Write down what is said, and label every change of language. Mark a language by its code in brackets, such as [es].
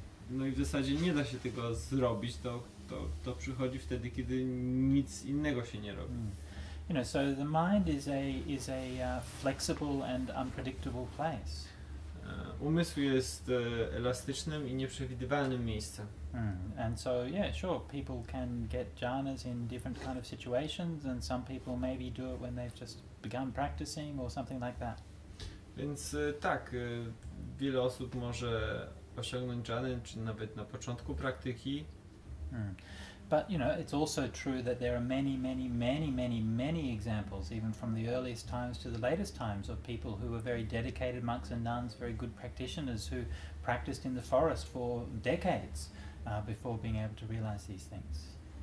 [pl] No i w zasadzie nie da się tego zrobić. To przychodzi wtedy, kiedy nic innego się nie robi. [en] You know, so the mind is a flexible and unpredictable place. [pl] Umysł jest elastycznym i nieprzewidywalnym miejscem. [en] And so, yeah, sure, people can get jhanas in different kind of situations, and some people maybe do it when they've just begun practicing or something like that. [pl] Więc tak, wiele osób może osiągnąć jhany, czy nawet na początku praktyki. [en] But you know, it's also true that there are many, many, many, many, many examples, even from the earliest times to the latest times, of people who were very dedicated monks and nuns, very good practitioners, who practiced in the forest for decades before being able to realize these things.